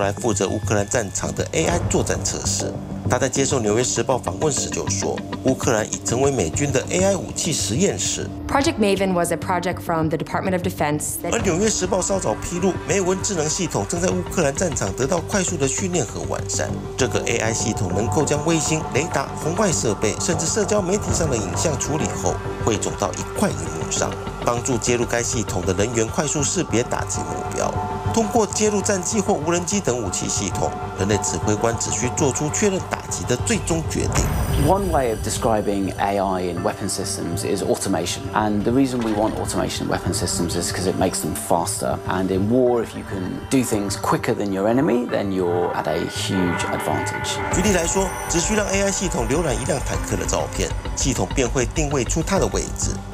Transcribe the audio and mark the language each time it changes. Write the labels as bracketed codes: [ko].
[zh] 2017年，美国撤离阿富汗最后一个登机被称为阿富汗最后一人的美军第18空降师师长多纳修，后来负责乌克兰战场的 AI 作战测试。他在接受《纽约时报》访问时就说，乌克兰已成为美军的 AI 武器实验室。 [en] Project Maven was a project from the Department of Defense. [zh] 而《纽约时报》稍早披露，梅文智能系统正在乌克兰战场得到快速的训练和完善。这个 AI 系统能够将卫星、雷达、红外设备，甚至社交媒体上的影像处理后， 汇总到一块荧幕上，帮助接入该系统的人员快速识别打击目标。通过接入战机或无人机等武器系统，人类指挥官只需做出确认打击的最终决定。 [en] One way of describing AI in weapon systems is automation, and the reason we want automation in weapon systems is because it makes them faster. And in war, if you can do things quicker than your enemy, then you're at a huge advantage. [zh] 举例来说，只需让 AI 系统浏览一辆坦克的照片，系统便会定位出它的位置。